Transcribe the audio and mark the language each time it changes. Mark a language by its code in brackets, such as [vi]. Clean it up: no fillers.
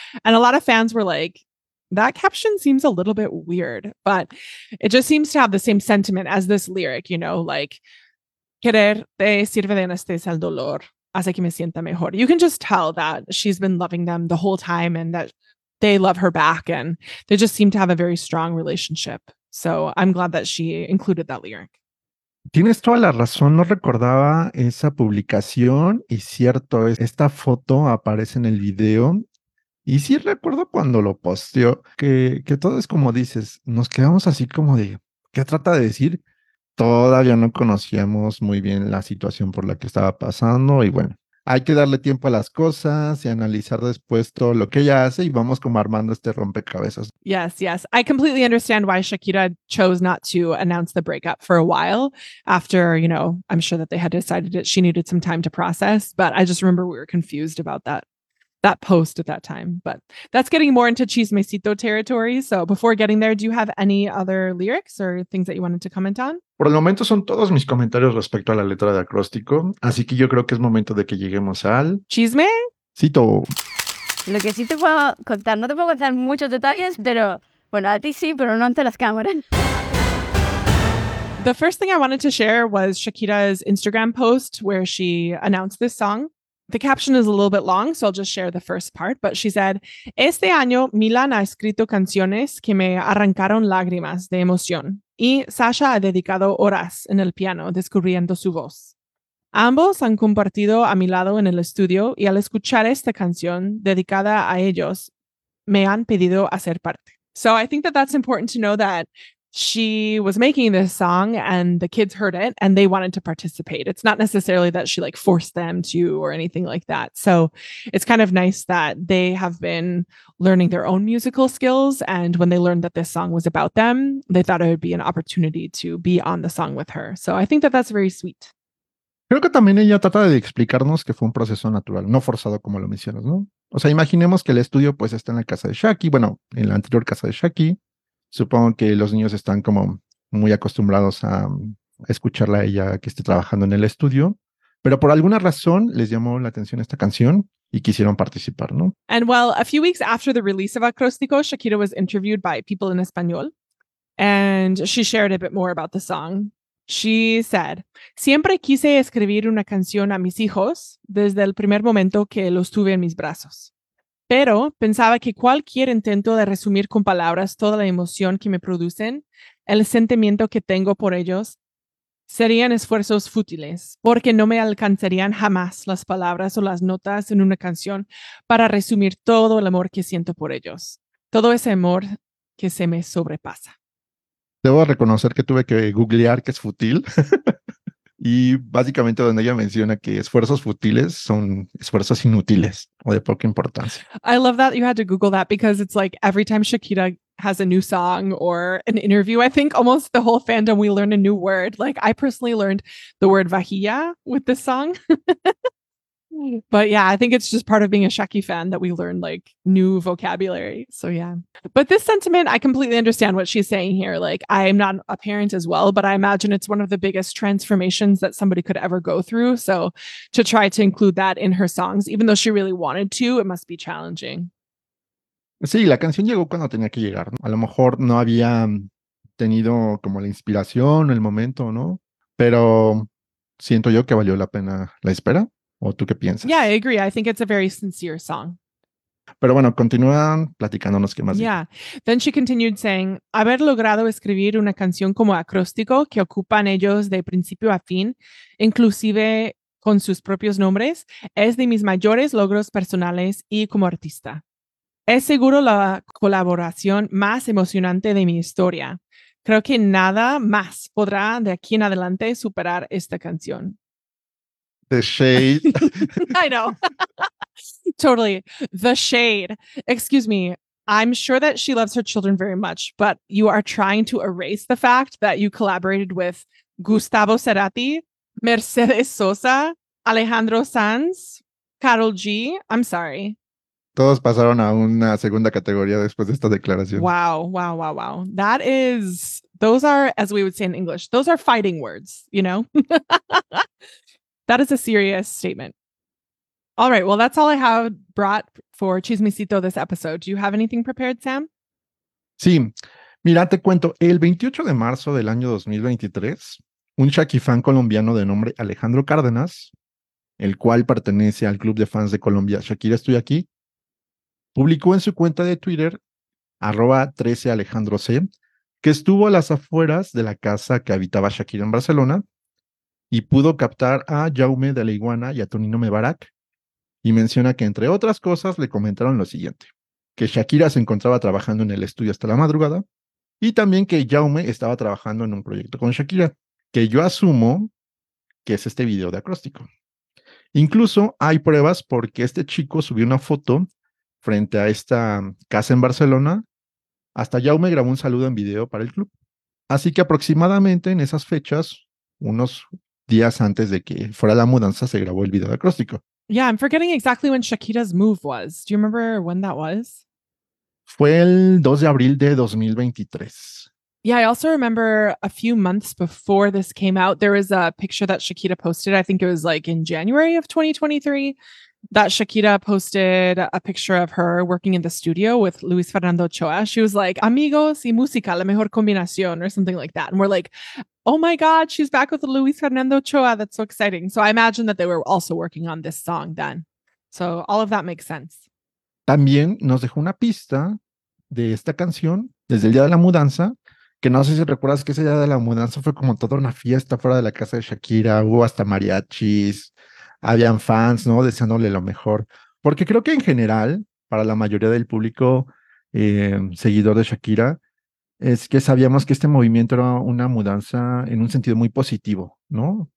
[en] And a lot of fans were like, that caption seems a little bit weird, but it just seems to have the same sentiment as this lyric, you know, like, [es] quererte sirve de anestesia al dolor, hace que me sienta mejor. [en] You can just tell that she's been loving them the whole time and that they love her back. And they just seem to have a very strong relationship. So I'm glad that she included that lyric. [es] Tienes toda la razón, no recordaba esa publicación y cierto, esta foto aparece en el video y sí recuerdo cuando lo posteó, que todo es como dices, nos quedamos así como de, ¿qué trata de decir? Todavía no conocíamos muy bien la situación por la que estaba pasando y bueno, hay que darle tiempo a las cosas y analizar después todo lo que ella hace y vamos como armando este rompecabezas. [en] Yes, yes. I completely understand why Shakira chose not to announce the breakup for a while after, you know, I'm sure that they had decided it. She needed some time to process, but I just remember we were confused about that post at that time. But that's getting more into chismecito territory. So before getting there, do you have any other lyrics or things that you wanted to comment on? [es] Por el momento son todos mis comentarios respecto a la letra de Acróstico. Así que yo creo que es momento de que lleguemos al... ¡Chismecito! Lo que sí te puedo contar, no te puedo contar muchos detalles, pero bueno, a ti sí, pero no ante las cámaras. [en] The first thing I wanted to share was Shakira's Instagram post where she announced this song. The caption is a little bit long, so I'll just share the first part. But she said, [es] este año Milan ha escrito canciones que me arrancaron lágrimas de emoción. Y Sasha ha dedicado horas en el piano descubriendo su voz. Ambos han compartido a mi lado en el estudio y al escuchar esta canción dedicada a ellos, me han pedido hacer parte. [en] So I think that that's important to know that she was making this song and the kids heard it and they wanted to participate. It's not necessarily that she like forced them to or anything like that. So it's kind of nice that they have been learning their own musical skills. And when they learned that this song was about them, they thought it would be an opportunity to be on the song with her. So I think that that's very sweet. [es] Creo que también ella trata de explicarnos que fue un proceso natural, no forzado como lo mencionas, ¿no? O sea, imaginemos que el estudio pues está en la casa de Shaki, bueno, en la anterior casa de Shaki. Supongo que los niños están como muy acostumbrados a escucharla a ella que esté trabajando en el estudio, pero por alguna razón les llamó la atención esta canción y quisieron participar, ¿no? [en] And well, a few weeks after the release of Acróstico, Shakira was interviewed by People in Español and she shared a bit more about the song. She said, [es] siempre quise escribir una canción a mis hijos desde el primer momento que los tuve en mis brazos. Pero pensaba que cualquier intento de resumir con palabras toda la emoción que me producen, el sentimiento que tengo por ellos, serían esfuerzos fútiles, porque no me alcanzarían jamás las palabras o las notas en una canción para resumir todo el amor que siento por ellos, todo ese amor que se me sobrepasa. Debo reconocer que tuve que googlear que es fútil. Y básicamente donde ella menciona que esfuerzos fútiles son esfuerzos inútiles o de poca importancia. [en] I love that you had to Google that because it's like every time Shakira has a new song or an interview, I think almost the whole fandom, we learn a new word. Like I personally learned the word vajilla with this song. But yeah, I think it's just part of being a Shaki fan that we learn like new vocabulary. So yeah. But this sentiment, I completely understand what she's saying here. Like I am not a parent as well, but I imagine it's one of the biggest transformations that somebody could ever go through. So to try to include that in her songs, even though she really wanted to, it must be challenging. [es] Sí, la canción llegó cuando tenía que llegar. A lo mejor no había tenido como la inspiración, el momento, ¿no? pero siento yo que valió la pena la espera. ¿O tú qué piensas? [en] Yeah, I agree. I think it's a very sincere song. [es] Pero bueno, continúan platicándonos qué más. [en] Yeah. Then she continued saying, [es] haber logrado escribir una canción como Acróstico que ocupan ellos de principio a fin, inclusive con sus propios nombres, es de mis mayores logros personales y como artista. Es seguro la colaboración más emocionante de mi historia. Creo que nada más podrá de aquí en adelante superar esta canción. [en] The shade. I know. Totally. The shade. Excuse me. I'm sure that she loves her children very much, but you are trying to erase the fact that you collaborated with Gustavo Cerati, Mercedes Sosa, Alejandro Sanz, Karol G. I'm sorry. [es] Todos pasaron a una segunda categoría después de esta declaración. [en] Wow, wow, wow, wow. That is, those are, as we would say in English, those are fighting words, you know? That is a serious statement. All right, well, that's all I have brought for Chismecito this episode. Do you have anything prepared, Sam? [es] Sí. Mira, te cuento. El 28 de marzo del año 2023, un Shaki fan colombiano de nombre Alejandro Cárdenas, el cual pertenece al club de fans de Colombia, Shakira Estoy Aquí, publicó en su cuenta de Twitter, @13alejandroc, que estuvo a las afueras de la casa que habitaba Shakira en Barcelona y pudo captar a Jaume de la Iguana y a Tonino Mebarak, y menciona que, entre otras cosas, le comentaron lo siguiente, que Shakira se encontraba trabajando en el estudio hasta la madrugada y también que Jaume estaba trabajando en un proyecto con Shakira, que yo asumo que es este video de Acróstico. Incluso hay pruebas porque este chico subió una foto frente a esta casa en Barcelona, hasta Jaume grabó un saludo en video para el club. Así que aproximadamente en esas fechas, unos días antes de que fuera la mudanza, se grabó el video de Acróstico. [en] Yeah, I'm forgetting exactly when Shakira's move was. Do you remember when that was? [es] Fue el 2 de abril de 2023. [en] Yeah, I also remember a few months before this came out, there was a picture that Shakira posted. I think it was like in January of 2023. That Shakira posted a picture of her working in the studio with Luis Fernando Ochoa. She was like, [es] amigos y música, la mejor combinación, [en] or something like that. And we're like, oh my God, she's back with Luis Fernando Ochoa. That's so exciting. So I imagine that they were also working on this song then. So all of that makes sense. [es] También nos dejó una pista de esta canción desde el día de la mudanza, que no sé si recuerdas que ese día de la mudanza fue como toda una fiesta fuera de la casa de Shakira. Hubo hasta mariachis. Habían fans, ¿no? Deseándole lo mejor. Porque creo que en general, para la mayoría del público seguidor de Shakira, es que sabíamos que este movimiento era una mudanza en un sentido muy positivo, ¿no?